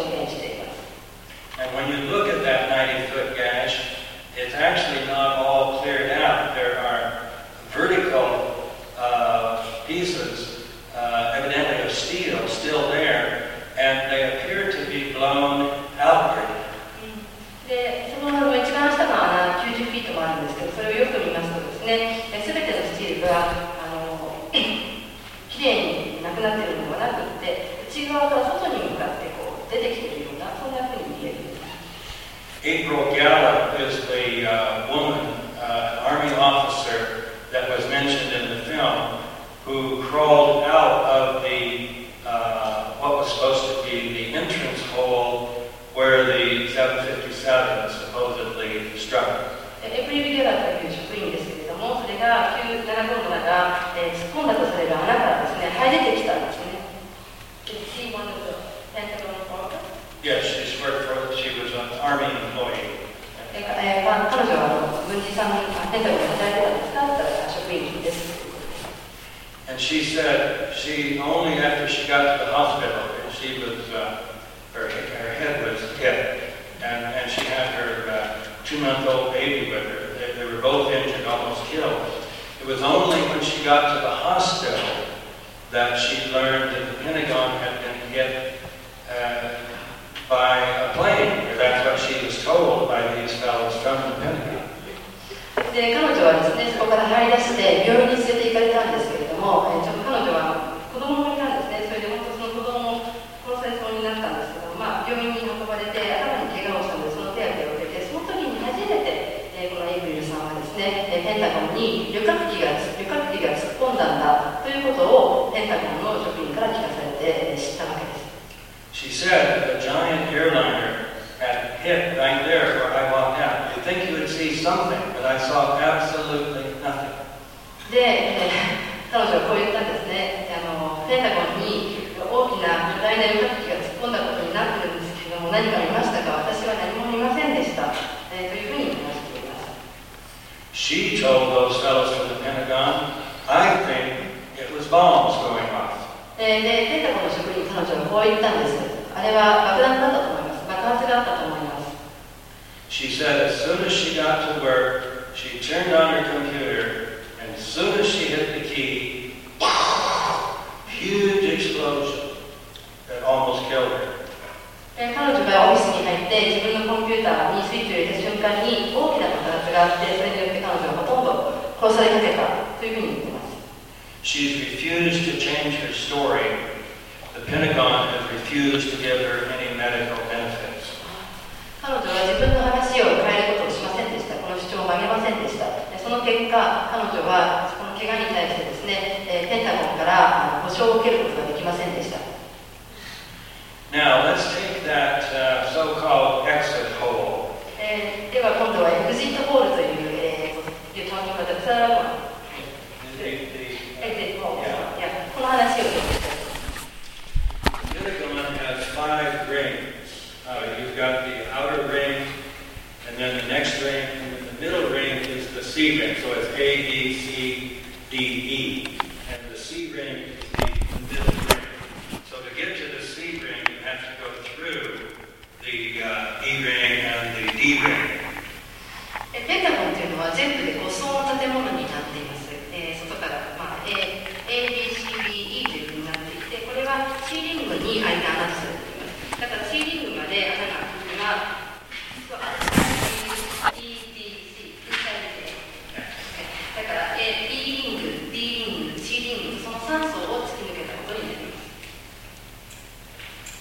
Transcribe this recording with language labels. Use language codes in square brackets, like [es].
[en] And when you look at that 90-foot gash, it's actually not all cleared out. There are vertical pieces. Evidently of steel still there, and they appear to be blown outward. [ja] で、その一番下の穴90フィートもあるんですけど、それをよく見ますとですね、すべてのスチールがきれいになくなっているのではなくて、内側から外に向かってこう出てきているような、そんなふうに見えるんです。 [en] April Gallup is the woman, army officer that was mentioned in the film. Who crawled out of the what was supposed to be the entrance hole where the 757 supposedly struck? [ja] April Gallup という職員ですけれども、それが975の中、突っ込んだとされる穴からですね、這い出てきたんですね。 [en] Did she want to enter on the floor? Yes, she's worked for. She was an army employee. [ja] 彼女は軍人さんに働いてたんですか？と職員です。 [en] And she said she only after she got to the hospital, she was, her head was hit, and she had her two-month-old baby with her. They were both injured, almost killed. It was only when she got to the hospital that she learned that the Pentagon had been hit by a plane. That's what she was told by these fellows from the Pentagon. [ja] で彼女はですね、そこから這い出して病院に連れて行かれたんですけれども、ちょっと彼女は子供がいたんですね。それで本当その子供を殺されそうになったんですけど、まあ、病院に運ばれて頭に怪我をしたのでその手当てを受けて、その時に初めて、このエイブリルさんはですね、ペンタゴンに旅客機が突っ込んだんだということをペンタゴンの職員から聞かされて知ったわけです。 [en] She said a giant airliner had hit right there where I walked out. I think you would see something, but I saw absolutely nothing. [ja] で、彼女はこう言ったんですね。ペンタゴンに大きな巨大な旅客機が突っ込んだことになってるんですけども、何か見ましたか？私は何も見ませんでした。というふうに話しています。 [en] She told those fellows from the Pentagon, I think it was bombs going off. [ja] で、ペンタゴンの職員、彼女はこう言ったんです。あれは爆弾だったと思います。爆発があったと思います。 [en] She said as soon as she got to work, she turned on her computer, and as soon as she hit the key, huge explosion that almost killed her. [ja] 彼女がオフィスに入って自分のコンピューターにスイッチを入れた瞬間に大きな爆発があって、それによって彼女はほとんど殺されかけたというふうに言っています。 [en] She's refused to change her story. The Pentagon has refused to give her any medical benefit. [ja] 彼女は自分の話を変えることをしませんでした。この主張を曲げませんでした。その結果、彼女はこの怪我に対してですね、ペンタゴンから保証を受けることができませんでした。 [en] Now, let's take that, so-called exit hole. [ja] では今度はエグジットホールという、 [en] You're talking about the third one. The exit hole. Yeah. [ja] この話を聞いてください [en] The other one has five rings. You've got the outer ring, and then the next ring, and then the middle ring is the C ring. So it's A, B, C, D, E. And the C ring is the middle ring. So to get to the C ring, you have to go through the E ring and the D ring. [ja] ペンタゴンというのは全部で5層の建物になっています。外から、まあ、A, B, C, D, E というふうになっていて、これはCリングに開いた穴です。だから、C リング、D リング、C リング、その3層を突き抜けたことになります。